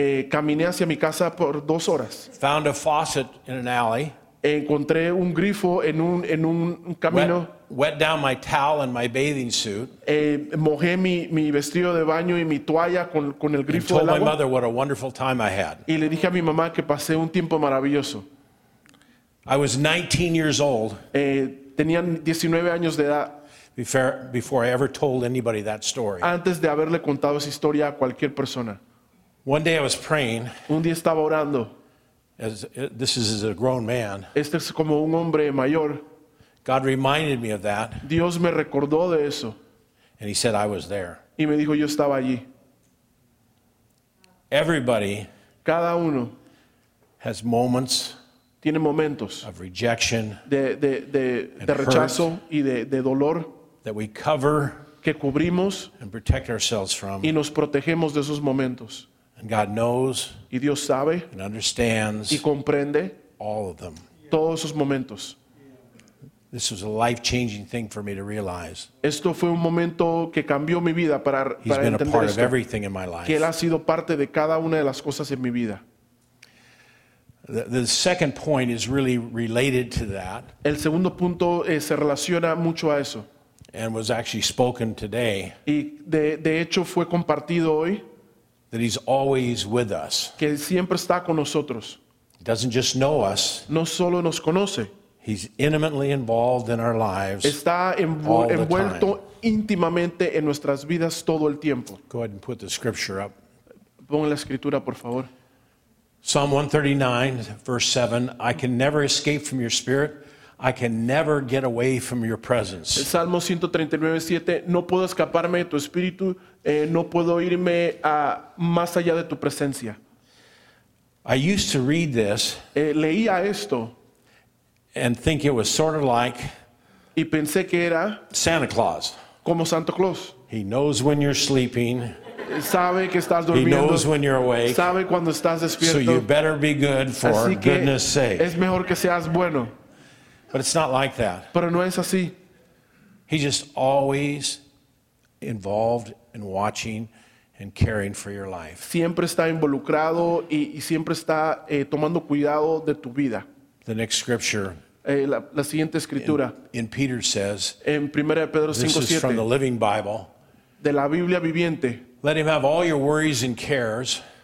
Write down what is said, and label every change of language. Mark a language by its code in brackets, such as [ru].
[es] Caminé hacia mi casa por 2 horas. [en] Found a faucet in an alley. [es] Encontré un grifo en un camino. [en] Wet down my towel and my bathing suit. [es] Mojé mi vestido de baño y mi toalla con el grifo. [en] And told my mother what a wonderful time I had. [es] Y le dije a mi mamá que pasé un tiempo maravilloso. [en] I was 19 years old. [es] Tenía 19 años de edad. [en] Before I ever told anybody that story. [es] Antes de haberle contado esa historia a cualquier persona. [en] One day I was praying. [es] Un día estaba orando. [en] This is a grown man. [es] Este es como un hombre mayor. [en] God reminded me of that. [es] Dios me recordó de eso. [en] And he said I was there. [es] Y me dijo yo estaba allí. [en] Everybody. [es] Cada uno. [en] Has moments. [es] Tiene momentos [en] of rejection, [es] de rechazo y de dolor [en] that we cover [es] que cubrimos [en] and protect ourselves from. [es] Y nos protegemos de esos momentos. [en] And God knows [es] y Dios sabe [en] and understands [es] y comprende [en] all of them. [es] Todos esos momentos. [en] This was a life-changing thing for me to realize. [es] Esto fue un momento que cambió mi vida para [en] He's been [es] entender [en] a part [es] esto. [en] Of everything in my life. [es] Que él ha sido parte de cada una de las cosas en mi vida. [en] The second point is really related to that. [es] El segundo punto se relaciona mucho a eso. [en] And was actually spoken today. [es] Y de hecho fue compartido hoy. [en] That he's always with us. [es] Que siempre está con nosotros. [en] He doesn't just know us. [es] No solo nos conoce. [en] He's intimately involved in our lives. [es] Está envuelto íntimamente en nuestras vidas todo el tiempo. [en] Go ahead and put the scripture up. [es] Pon la escritura, por favor. [en] Psalm 139, verse 7, I can never escape from your spirit. I can never get away from your presence. [es] Salmo 139, 7, no puedo escaparme de tu espíritu, no puedo irme más allá de tu presencia. [en] I used to read this. [es] Leía esto. [en] And think it was sort of like. [es] Y pensé que era. [en] Santa Claus. [es] Como Santa Claus. [en] He knows when you're sleeping. [es] Sabe que estás durmiendo. [en] He knows when you're awake. [es] Sabe cuando estás despierto. [en] So you better be good for goodness sake. [es] Es mejor que seas bueno. [en] But it's not like that. [es] Pero no es así. [en] He's just always involved in watching and caring for your life. [es] Siempre está involucrado y siempre está tomando cuidado de tu vida. [en] The next scripture. [es] La siguiente escritura. [en] In Peter says. [es] En Primera de Pedro 5:7. [en] This is from the Living Bible. [es] De la Biblia viviente. [en] Let him have all your worries and cares.